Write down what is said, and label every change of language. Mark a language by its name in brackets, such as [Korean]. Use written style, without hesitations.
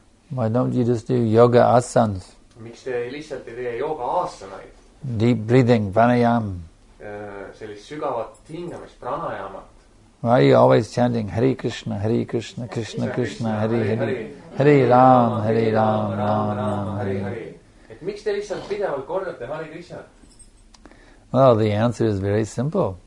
[English] Why don't you just do yoga asanas? [Estonian] Miks te lihtsalt ei tee yoga aasanaid? [English] Deep breathing, pranayam. [Estonian] Sellist sügavat hingamist, pranayamat. [English] Why are you always chanting Hare Krishna, Hare Krishna, Krishna Krishna, Hare Hare, Hare Ram, Hare Ram, Ram Ram, Hare Hare. [Estonian] Et miks te lihtsalt pidevalt kordate Hare Krishna? [English] Well, the answer is very simple.